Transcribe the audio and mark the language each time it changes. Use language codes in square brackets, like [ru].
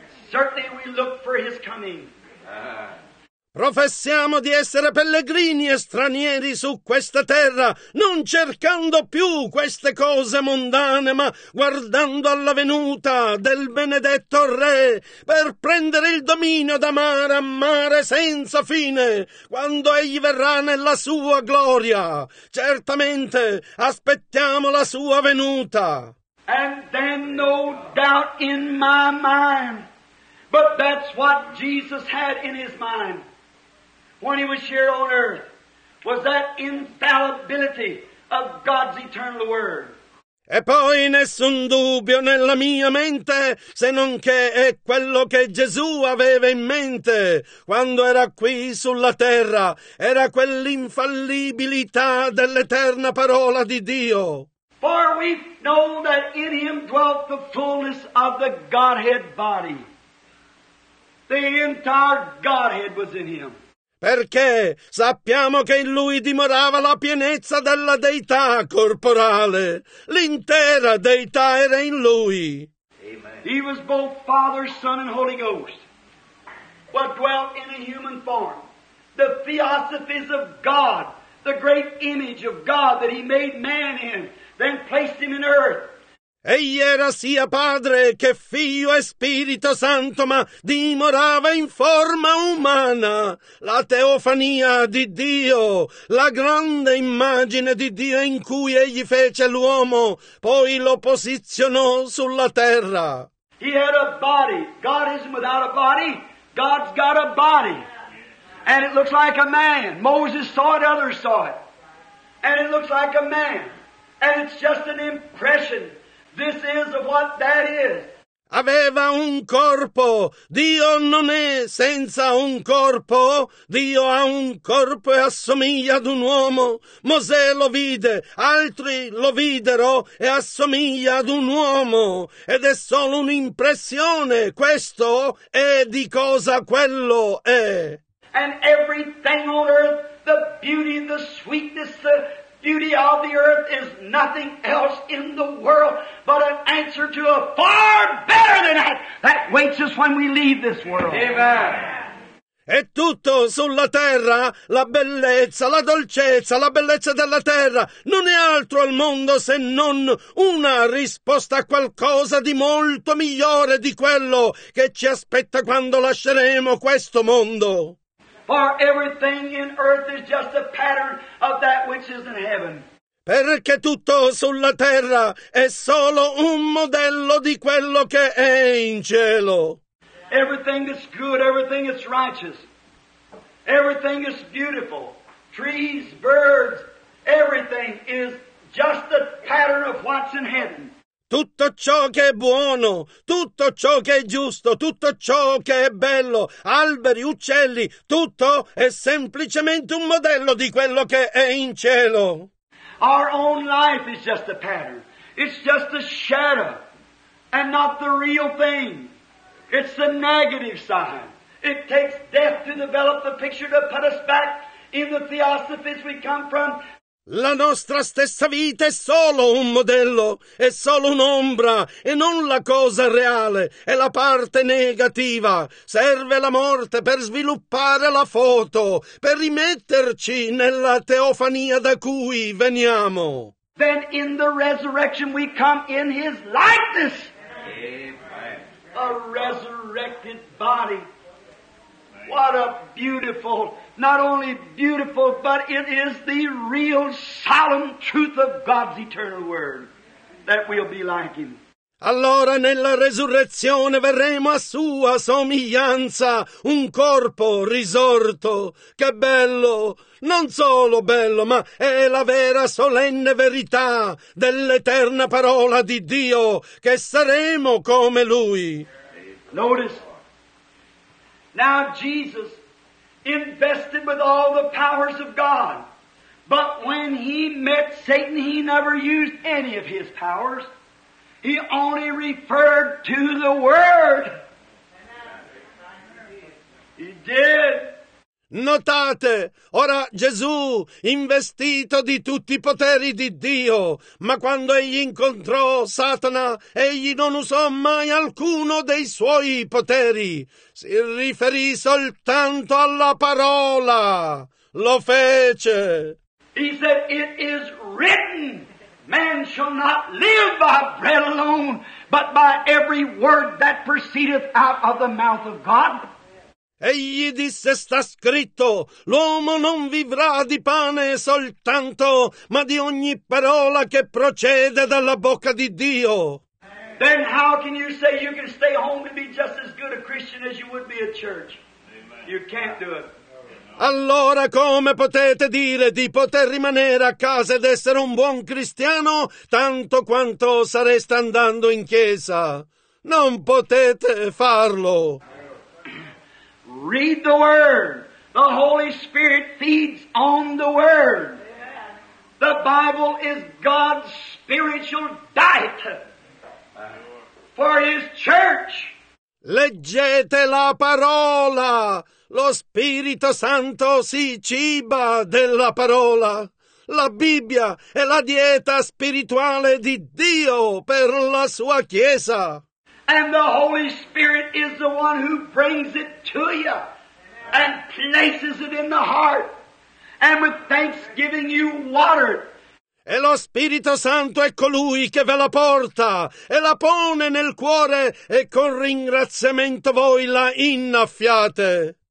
[en] Certainly we look for his coming. [it] Professiamo di essere pellegrini e stranieri su questa terra, non cercando più queste cose mondane, ma guardando alla venuta del benedetto Re per prendere il dominio da mare a mare senza fine, quando egli verrà nella sua gloria. Certamente aspettiamo la sua venuta. [en] And then no doubt in my mind, but that's what Jesus had in his mind when he was here on earth, was that infallibility of God's eternal word. [it] E poi nessun dubbio nella mia mente, se non che è quello che Gesù aveva in mente quando era qui sulla terra, era quell'infallibilità dell'eterna parola di Dio. [en] For we know that in him dwelt the fullness of the Godhead body. The entire Godhead was in him. [it] Perché sappiamo che in lui dimorava la pienezza della deità corporale. L'intera deità era in lui. [en] Amen. He was both Father, Son, and Holy Ghost, but dwelt in a human form. The theosophies of God, the great image of God that he made man in, then placed him in earth. [it] Egli era sia Padre che Figlio e Spirito Santo, ma dimorava in forma umana. La teofania di Dio, la grande immagine di Dio in cui egli fece l'uomo, poi lo posizionò sulla terra. [en] He had a body. God isn't without a body. God's got a body. And it looks like a man. Moses saw it, others saw it. And it looks like a man. And it's just an impression. This is what that is. [it] Aveva un corpo. Dio non è senza un corpo. Dio ha un corpo e assomiglia ad un uomo. Mosè lo vide, altri lo videro e assomiglia ad un uomo. Ed è solo un'impressione. Questo è di cosa quello è. [en] And everything on earth, the beauty, the sweetness, the beauty of the earth is nothing else in the world but an answer to a far better than that that waits us when we leave this world. Amen. [it] E tutto sulla terra, la bellezza, la dolcezza, la bellezza della terra, non è altro al mondo se non una risposta a qualcosa di molto migliore di quello che ci aspetta quando lasceremo questo mondo. [en] For everything in earth is just a pattern of that which is in heaven. [it] Perché tutto sulla terra è solo un modello di quello che è in cielo. [en] Everything is good, everything is righteous. Everything is beautiful. Trees, birds, everything is just a pattern of what's in heaven. [it] Tutto ciò che è buono, tutto ciò che è giusto, tutto ciò che è bello, alberi, uccelli, tutto è semplicemente un modello di quello che è in cielo. [en] Our own life is just a pattern. It's just a shadow and not the real thing. It's the negative side. It takes death to develop the picture to put us back in the theosophies we come from. [it] La nostra stessa vita è solo un modello, è solo un'ombra, e non la cosa reale, è la parte negativa. Serve la morte per sviluppare la foto, per rimetterci nella teofania da cui veniamo. [en] Then in the resurrection we come in his likeness. Amen. A resurrected body. What a beautiful, not only beautiful, but it is the real solemn truth of God's eternal word that we'll be like him. [it] Allora nella resurrezione verremo a sua somiglianza, un corpo risorto. Che bello, non solo bello, ma è la vera solenne verità dell'eterna parola di Dio, che saremo come lui. [en] Notice. Now Jesus invested with all the powers of God. But when he met Satan, he never used any of his powers. He only referred to the Word. He did. [it] Notate, ora Gesù, investito di tutti i poteri di Dio, ma quando egli incontrò Satana, egli non usò mai alcuno dei suoi poteri. Si riferì soltanto alla parola. Lo fece. [en] He said, it is written, man shall not live by bread alone, but by every word that proceedeth out of the mouth of God. [it] Egli disse, sta scritto, l'uomo non vivrà di pane soltanto, ma di ogni parola che procede dalla bocca di Dio. [en] Then how can you say you can stay home to be just as good a Christian as you would be a church? Amen. You can't do it. [it] Allora come potete dire di poter rimanere a casa ed essere un buon cristiano tanto quanto sareste andando in chiesa? Non potete farlo. [en] Read the Word. The Holy Spirit feeds on the Word. The Bible is God's spiritual diet for His church. [it] Leggete la parola. Lo Spirito Santo si ciba della parola. La Bibbia è la dieta spirituale di Dio per la sua Chiesa. [en] And the Holy Spirit is the one who brings it to you. Amen. And places it in the heart. And with thanksgiving you water it. [it] E lo Spirito Santo è colui che ve la porta e la pone nel cuore e con ringraziamento voi la innaffiate.